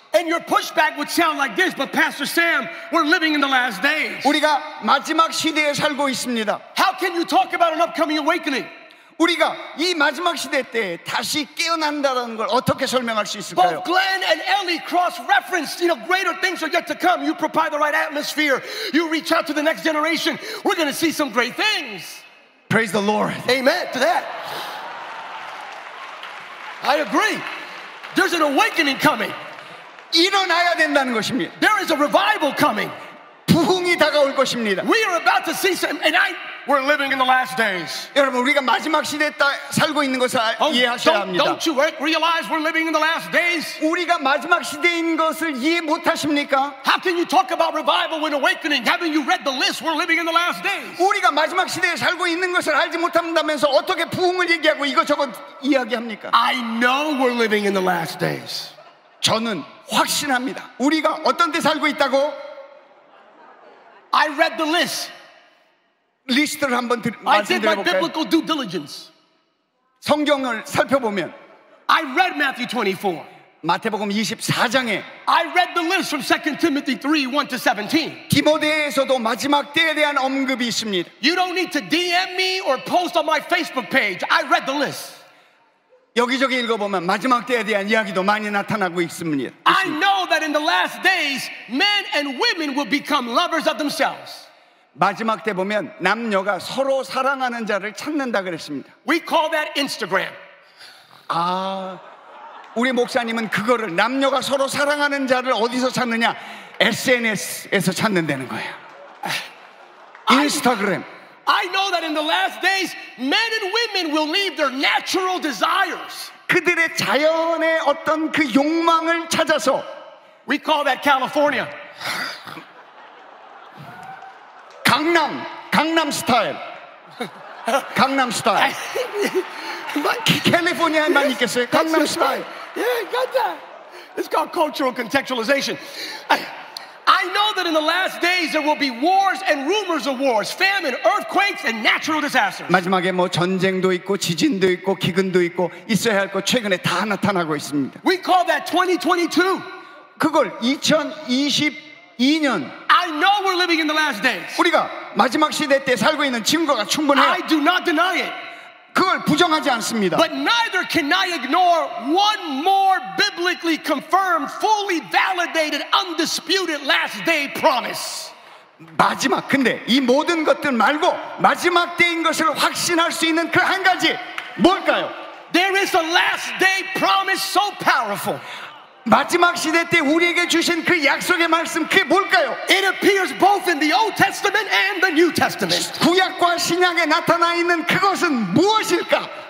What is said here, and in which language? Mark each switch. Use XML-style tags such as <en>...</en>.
<en>And your pushback would sound like this. But Pastor Sam, we're living in the last days.</en> <ko>우리가 마지막 시대에 살고 있습니다.</ko> <en>How can you talk about an upcoming awakening?</en> <ko>우리가 이 마지막 시대 때 다시 깨어난다는 걸 어떻게 설명할 수 있을까요?</ko> <en>Both Glenn and Ellie cross-referenced, you know, greater things are yet to come. You provide the right atmosphere. You reach out to the next generation. We're going to see some great things. Praise the Lord. Amen to that. I agree. There's an awakening coming.</en> <ko>일어나야 된다는 것입니다.</ko> <en>There is a revival coming.</en> <ko>부흥이 다가올 것입니다.</ko> <en>We are about to see some, and I... We're living in the last days.</en> <ko>여러분 우리가 마지막 시대에 살고 있는 것을 이해하셔야 합니다.</ko> <en>Don't you realize we're living in the last days?</en> <ko>우리가 마지막 시대인 것을 이해 못 하십니까?</ko> <en>How can you talk about revival when awakening? Haven't you read the list? We're living in the last days.</en> <ko>우리가 마지막 시대에 살고 있는 것을 알지 못한다면서 어떻게 부흥을 얘기하고 이것저것 이야기합니까?</ko> <en>I know we're living in the last days.</en> <ko>저는 확신합니다. 우리가 어떤 때 살고 있다고?</ko> <en>I read the list.</en> <ko>리스트를 한번 말씀드려볼까요?</ko> <en>I did my biblical due diligence.</en> <ko>성경을 살펴보면</ko> <en>I read Matthew 24.</en> <ko>마태복음 24장에</ko> <en>I read the list from 2 Timothy 3, 1 to 17.</en> <ko>디모데에서도 마지막 때에 대한 언급이 있습니다.</ko> <en>You don't need to DM me or post on my Facebook page. I read the list.</en> <ko>여기저기 읽어보면 마지막 때에 대한 이야기도 많이 나타나고 있습니다.</ko> <en>I know that in the last days, men and women will become lovers of themselves.</en> <ko>마지막 때 보면 남녀가 서로 사랑하는 자를 찾는다 그랬습니다.</ko> <en>We call that Instagram.</en> <ko>아, 우리 목사님은 그거를 남녀가 서로 사랑하는 자를 어디서 찾느냐? SNS에서 찾는다는 거예요.</ko> <en>Instagram. I know that in the last days, men and women will leave their natural desires.</en> <ko>그들의 자연의 어떤 그 욕망을 찾아서.</ko> <en>We call that California.</en> <ko>강남, 강남 스타일. 강남 스타일. 캘리포니아에 많이 있겠어요? 강남 스타일.</ko> <en>Yeah, got that. It's called cultural contextualization. I know that in the last days there will be wars and rumors of wars, famine, earthquakes, and natural disasters.</en> <ko>마지막에 뭐 전쟁도 있고 지진도 있고 기근도 있고 있어야 할 거 최근에 다 나타나고 있습니다.</ko> <en>We call that 2022.</en> <ko>그걸 2022. 2년.</ko> <en>I know we're living in the last days.</en> <ko>우리가 마지막 시대 때 살고 있는 증거가 충분해요.</ko> <en>I do not deny it.</en> <ko>그걸 부정하지 않습니다.</ko> <en>But neither can I ignore one more biblically confirmed, fully validated, undisputed last day promise.</en> <ko>마지막. 근데 이 모든 것들 말고 마지막 때인 것을 확신할 수 있는 그 한 가지 뭘까요?</ko> <en>There is a last day promise so powerful.</en> <ko>마지막 시대 때 우리에게 주신 그 약속의 말씀 그게 뭘까요?</ko> <en>It appears both in the Old Testament and the New Testament.</en> <ko>구약과 신약에 나타나 있는 그것은 무엇일까?</ko>